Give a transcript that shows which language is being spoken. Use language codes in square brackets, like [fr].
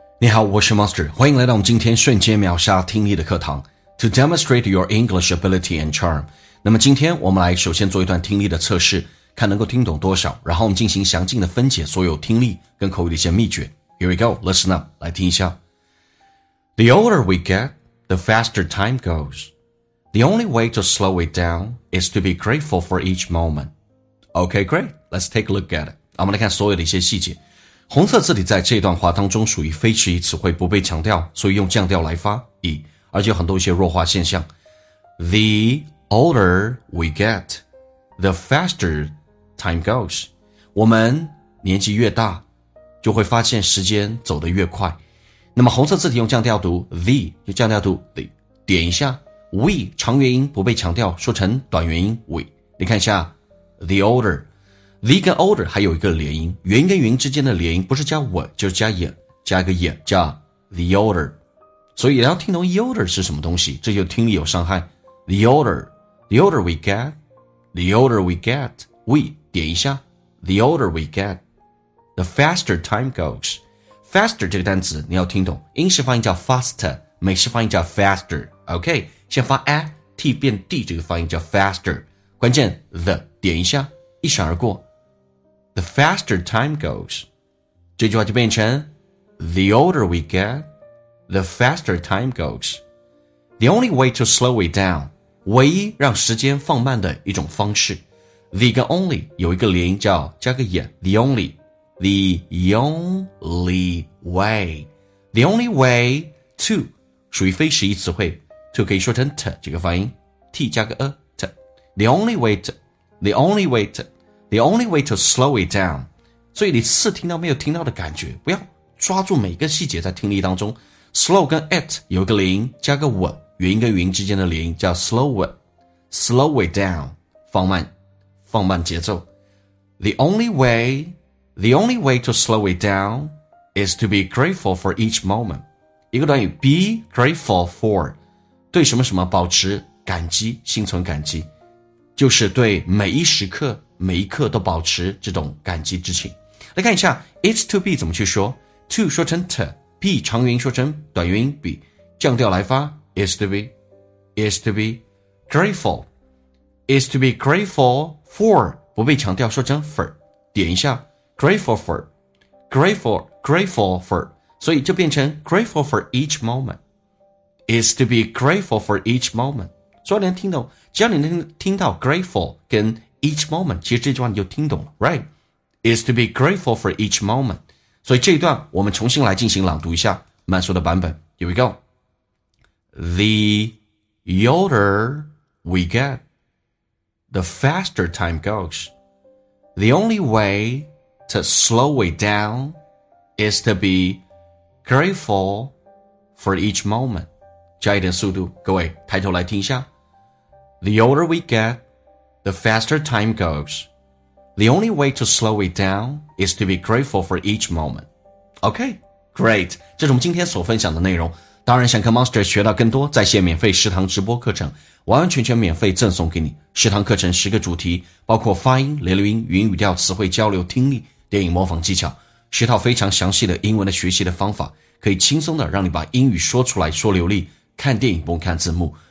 [zh] 你好，我是 Monster， 欢迎来到我们今天瞬间秒杀听力的课堂 [en] To demonstrate your English ability and charm。 [zh] 那么今天我们来首先做一段听力的测试，看能够听懂多少，然后我们进行详尽的分解所有听力跟口语的一些秘诀。 [en] Here we go, listen up, [zh] 来听一下。 [en] The older we get, the faster time goes. The only way to slow it down is to be grateful for each moment. Okay, great, let's take a look at it. [zh] 我们来看所有的一些细节。红色字体在这段话当中属于非迟疑词汇，不被强调，所以用降调来发 e， 而且有很多一些弱化现象。 [en] The older we get, the faster time goes. [zh] 我们年纪越大，就会发现时间走得越快。那么红色字体用降调读 the， 用降调读 the， 点一下 we， 长元音不被强调，说成短元音 we。你看一下 the olderThe 跟 older 还有一个连音，元音跟元音之间的连音不是加 w 就是加 y， 加一个 y 叫 the older， 所以要听懂 the older 是什么东西，这就听力有伤害。 [en] The older, the older we get, the older we get, we 点一下 the older we get, the faster time goes. [zh] Faster 这个单词你要听懂，英式发音叫 faster， 美式发音叫 faster。 OK， 先发 a t 变 d 这个发音叫 faster， 关键 the 点一下一闪而过 The faster time goes， 这句话就变成 [en] The older we get, the faster time goes. The only way to slow it down， [zh] 唯一让时间放慢的一种方式。 [en] The 跟 only 有一个连音叫加个 y， The only， The only way， The only way to 属于非实义词汇， to 可以说成 t 这个发音， t 加个 a t， The only way to， The only way toThe only way to slow it down. [zh] 所以你似听到没有听到的感觉，不要抓住每个细节在听力当中。 Slow 跟 it 有个连音加个 w， 元音跟元音之间的连音叫 slower. [en] Slow it down， [zh] 放慢，放慢节奏。 [en] The only way to slow it down is to be grateful for each moment. [zh] 一个短语 be grateful for， 对什么什么保持感激，心存感激，就是对每一时刻每一刻都保持这种感激之情。来看一下 [en] it's to be 怎么去说， to 说成 t， be 长元音说成短元音 be， 降调来发 is to be， is to be grateful， is to be grateful for， 不被强调说成 for， 点一下 grateful for， grateful， grateful for， [zh] 所以就变成 [en] grateful for each moment， is to be grateful for each moment。 [zh] 所以你能听到，只要你能听到 grateful 跟each moment， 其实这句话你就听懂了， [en] right？ is to be grateful for each moment。 [zh] 所以这一段我们重新来进行朗读一下慢速的版本， [en] here we go。 The older we get, the faster time goes. The only way to slow it down is to be grateful for each moment. [zh] 加一点速度，各位抬头来听一下。 [en] The older we getThe faster time goes. The only way to slow it down is to be grateful for each moment. Okay, great. [zh] 这是我们今天所分享的内容。当然想跟 Monster 学到更多，在线免费十堂直播课程完完全全免费赠送给你。十堂课程十个主题，包括发音、连读音、语音语调、词汇交流、听力、电影模仿技巧，十套非常详细的英文的学习的方法，可以轻松的让你把英语说出来说流利，看电影不用看字幕。